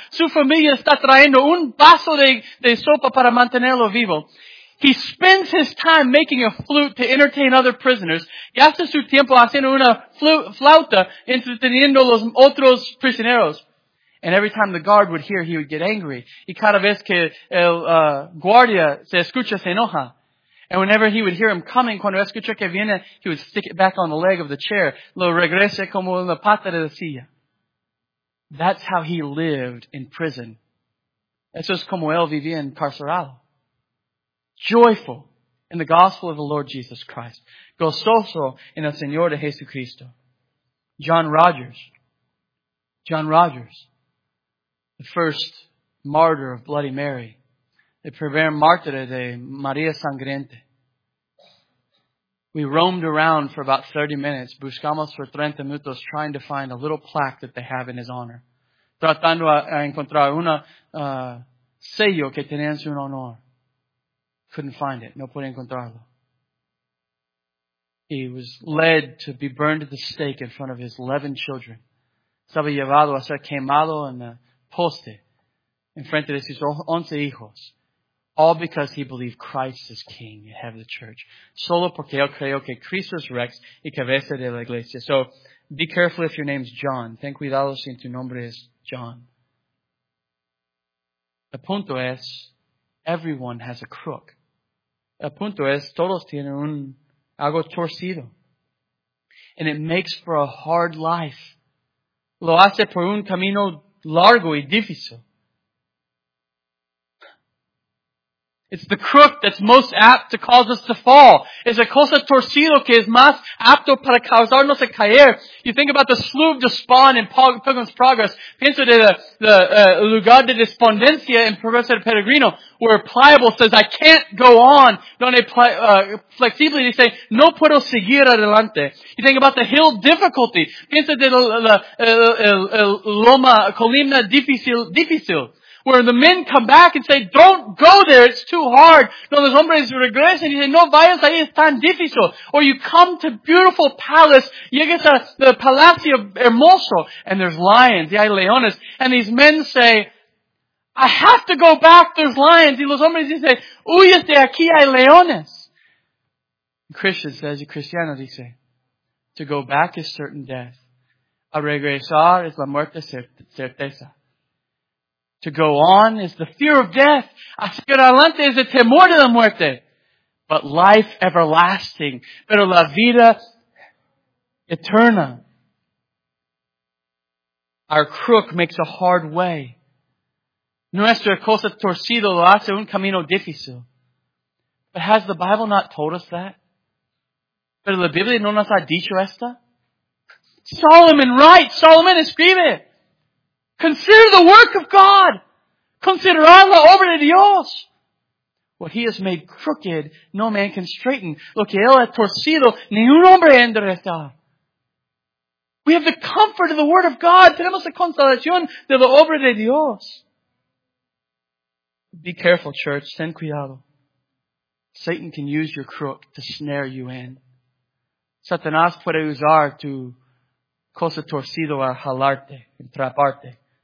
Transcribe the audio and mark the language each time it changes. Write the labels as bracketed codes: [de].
[es] Su familia está trayendo un vaso de sopa para mantenerlo vivo. [en] He spends his time making a flute to entertain other prisoners. [es] Gasta su tiempo haciendo una flauta entreteniendo los otros prisioneros. [en] And every time the guard would hear, he would get angry. [es] Y cada vez que el guardia se escucha, se enoja. [en] And whenever he would hear him coming, [es] cuando escucha que viene, [en] he would stick it back on the leg of the chair. [es] Lo regrese como en la pata de la silla. [en] That's how he lived in prison. [es] Eso es como él vivía encarcelado. [en] Joyful in the gospel of the Lord Jesus Christ. [es] Gozoso en el Señor de Jesucristo. John Rogers. [en] The first martyr of Bloody Mary. [es] El primer mártir de María Sangriente. [en] We roamed around for about 30 minutes, [es] buscamos por 30 minutos, [en] trying to find a little plaque that they have in his honor. [es] Tratando a encontrar una sello que tenía en su honor. [en] Couldn't find it. [es] No pude encontrarlo. [en] He was led to be burned at the stake in front of his 11 children. [es] Estaba llevado a ser quemado en el poste en frente de sus 11 hijos. [en] All because he believed Christ is king and head of the church. [es] Solo porque él creyó que Cristo es rex y cabeza de la iglesia. [en] So, be careful if your name's John. [es] Ten cuidado si tu nombre es John. El punto es, [en] everyone has a crook. [es] El punto es, todos tienen un algo torcido. [en] And it makes for a hard life. [es] Lo hace por un camino largo y difícil. [en] It's the crook that's most apt to cause us to fall. [es] Es la cosa torcido que es más apto para causarnos a caer. [en] You think about the slough of despond in Pilgrim's Progress. [es] Pienso de [en] the [es] lugar de despondencia [en] in [es] Progreso de Peregrino, [en] where Pliable says, I can't go on. [es] Donde [en] flexibly they say, [es] no puedo seguir adelante. [en] You think about the hill difficulty. [es] Pienso de la loma, colina difícil. [en] where the men come back and say, don't go there, it's too hard. [es] No, los hombres regresan [en] and you say, [es] no vayas ahí, es tan difícil. [en] Or you come to beautiful palace, [es] llegas a the palacio hermoso, [en] and there's lions, [es] y hay leones. [en] And these men say, I have to go back, there's lions. [es] Y los hombres dicen, huyes de aquí, hay leones. [en] Christian says, [es] el cristiano dice, [en] to go back is certain death. [es] A regresar es la muerte certeza. [en] To go on is the fear of death. [es] Hacia adelante es el temor de la muerte. [en] But life everlasting. [es] Pero la vida eterna. [en] Our crook makes a hard way. [es] Nuestra cosa torcida lo hace un camino difícil. [en] But has the Bible not told us that? [es] Pero la Biblia no nos ha dicho esta? [en] Solomon writes, [es] Solomon escribe. [en] Consider the work of God. [es] Considerar la obra de Dios. [en] What he has made crooked, no man can straighten. [es] Lo que él ha torcido, ni un hombre endereza. [en] We have the comfort of the word of God. [es] Tenemos la consolación de la obra de Dios. [en] Be careful, church. [es] Ten cuidado. [en] Satan can use your crook to snare you in. [es] Satanás puede usar tu cosa torcido a jalarte, entraparte.